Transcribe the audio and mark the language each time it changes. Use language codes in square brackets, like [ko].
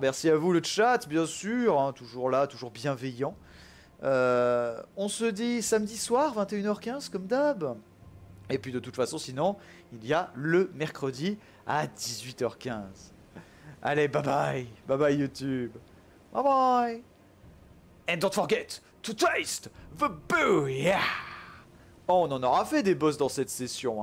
[fr] Merci à vous le chat, bien sûr. Hein, toujours là, toujours bienveillant. On se dit samedi soir, 21h15, comme d'hab. Et puis de toute façon, sinon, il y a le mercredi à 18h15. Allez, bye bye. Bye bye YouTube. Bye bye. [en] And don't forget to taste the booyah. [fr] Oh, on en aura fait des boss dans cette session.